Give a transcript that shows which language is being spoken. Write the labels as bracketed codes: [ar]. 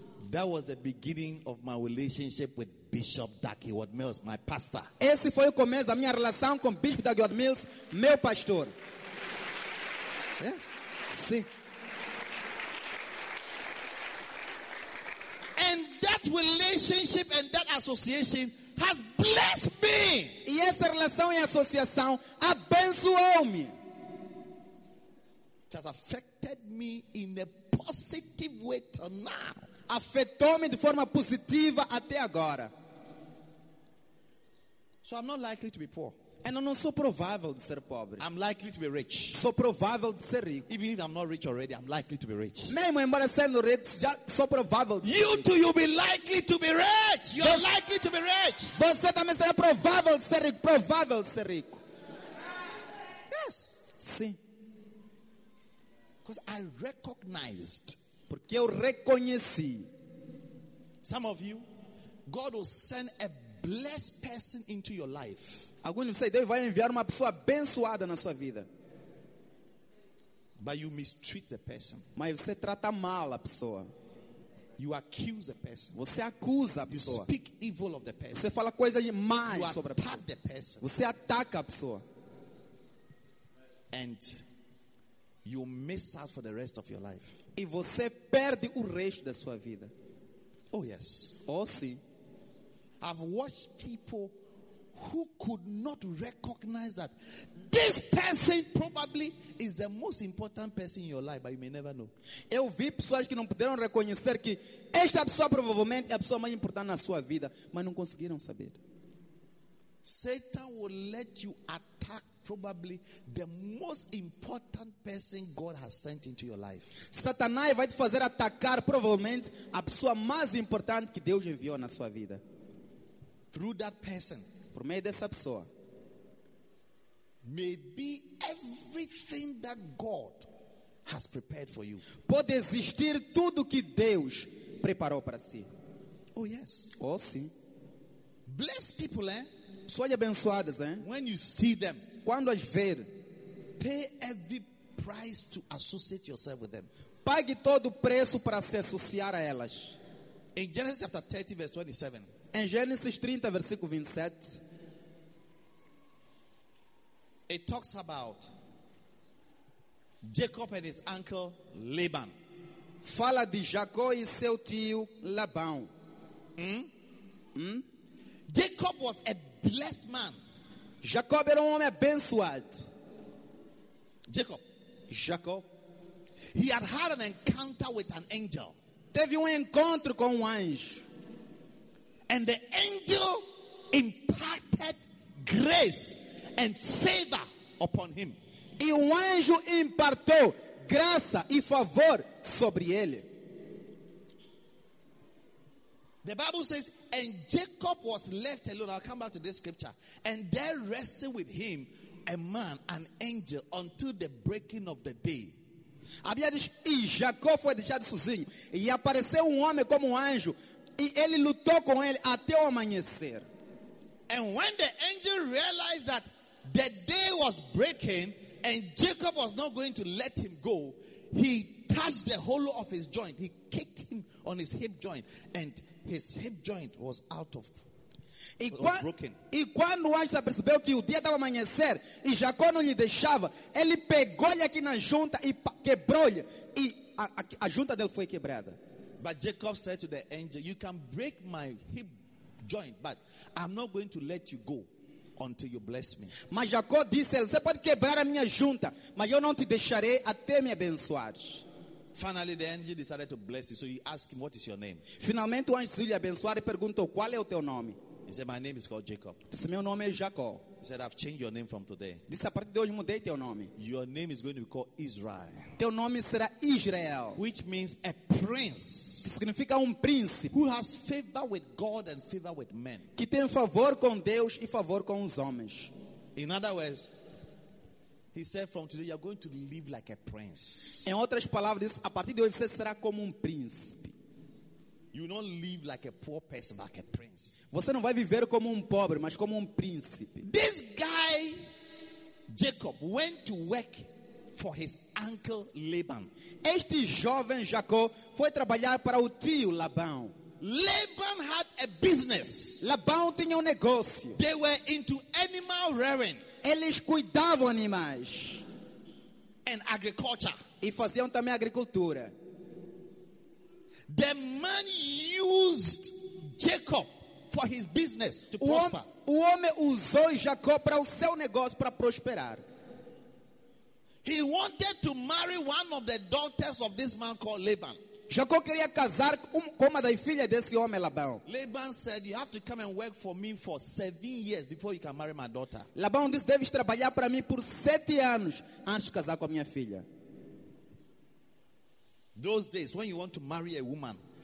[en] That was the beginning of my relationship with Bishop Dagwood Mills, my pastor. [pt] Esse foi o começo da minha relação com Bishop Dagwood Mills, meu pastor. [en] Yes. [pt] Sim. [en] And that relationship and that association has blessed me. [pt] E essa relação e associação abençoou-me. [en] It has affected me in a positive way till now. [pt] Afetou-me de forma positiva até agora. [en] So I'm not likely to be poor. [pt] And eu não sou provável de ser pobre. [en] I'm likely to be rich. [pt] Sou provável de ser rico. [en] Even if I'm not rich already, I'm likely to be rich. [pt] Mesmo embora sendo rico, já sou provável de ser [en] you [pt] rico. [en] You too, you'll be likely to be rich. You're likely to be rich. [pt] Você também será provável de ser rico. Provável de ser rico. [en] Yes. [pt] Sim. [en] Because I recognized. [pt] Porque eu reconheci. [en] Some of you, God will send a blessed person into your life. [pt] Alguns de vocês, Deus vai enviar uma pessoa abençoada na sua vida. [en] But you mistreat the person. [pt] Mas você trata mal a pessoa. [en] You accuse the person. [pt] Você acusa a pessoa. [en] You speak evil of the person. [pt] Você fala coisas más [en] you [pt] sobre [en] attack [pt] a pessoa. [en] The person. [pt] Você ataca a pessoa. [en] And you miss out for the rest of your life. [pt] E você perde o resto da sua vida. [en] Oh yes. [pt] Oh sim. [en] I've watched people who could not recognize that this person probably is the most important person in your life, but you may never know. [pt] Eu vi pessoas que não puderam reconhecer que esta pessoa provavelmente é a pessoa mais importante na sua vida, mas não conseguiram saber. [en] Satan will let you attack probably the most important person God has sent into your life. [pt] Satanás vai te fazer atacar provavelmente a pessoa mais importante que Deus enviou na sua vida. [en] Through that person, [pt] por meio dessa pessoa, [en] maybe everything that God has prepared for you. [pt] Pode existir tudo que Deus preparou para si. [en] Oh yes. [pt] Oh sim. [en] Bless people, eh? [pt] Pessoas abençoadas, eh? [en] When you see them, [pt] quando as ver, [en] pay every price to associate yourself with them. [pt] Pague todo o preço para se associar a elas. [en] In Genesis chapter 30 verse 27. [pt] Em Gênesis 30, versículo 27, [en] it talks about Jacob and his uncle Laban. [pt] Fala de Jacó e seu tio Labão. [en] Jacob was a blessed man. [pt] Jacó era homem abençoado. Jacó. [en] He had had an encounter with an angel. [pt] Teve encontro com anjo. [en] And the angel imparted grace and favor upon him. [pt] E o anjo impartiu graça e favor sobre ele. [en] The Bible says, and Jacob was left alone. I'll come back to this scripture. And there rested with him a man, an angel, until the breaking of the day. [pt] Abia diz, e Jacó foi deixado sozinho. E apareceu homem como anjo. E ele lutou com ele até o amanhecer. [en] And when the angel realized that the day was breaking and Jacob was not going to let him go, he touched the hollow of his joint. He kicked him on his hip joint and his hip joint was out of broken. [pt] E quando o anjo percebeu que o dia estava amanhecer e Jacó não lhe deixava, ele pegou-lhe aqui na junta e quebrou-lhe e a junta dele foi quebrada. [en] But Jacob said to the angel, "You can break my hip joint, but I'm not going to let you go until you bless me." [pt] Mas Jacó disse, "Você pode quebrar a minha junta, mas eu não te deixarei até me abençoar." [en] Finally, the angel decided to bless you. So he asked him, "What is your name?" [pt] Finalmente o anjo lhe abençoou e perguntou, "Qual é o teu nome?" [en] He said, "My name is called Jacob." [pt] Disse, "Meu nome é Jacó." [en] He said, "I've changed your name from today." [pt] Disse, "A partir de hoje mudei teu nome." [en] "Your name is going to be called Israel." [pt] Teu nome será Israel. [en] Which means a prince. [pt] Que significa príncipe. [en] Who has favor with God and favor with men. [pt] Que tem favor com Deus e favor com os homens. [en] In other words, he said, "From today you're going to live like a prince." [pt] Em outras palavras, disse, a partir de hoje você será como príncipe. [en] You don't live like a poor person, like a prince. [pt] Você não vai viver como pobre, mas como príncipe. [en] This guy, Jacob, went to work for his uncle Laban. [pt] Este jovem Jacó foi trabalhar para o tio Labão. [en] Laban had a business. [pt] Labão tinha negócio. [en] They were into animal rearing. [pt] Eles cuidavam animais. [en] And agriculture. [pt] E faziam também agricultura. [en] The man used Jacob for his business to prosper. [pt] O homem usou Jacó para o seu negócio para prosperar. [en] He wanted to marry one of the daughters of this man called Laban. [pt] Jacó queria casar com uma das filhas desse homem Labão. [en] Laban said, "You have to come and work for me for 7 years before you can marry my daughter." [pt] Labão disse, "Deves trabalhar para mim por 7 anos antes de casar com a minha filha." [en] Those days when you want to marry a woman,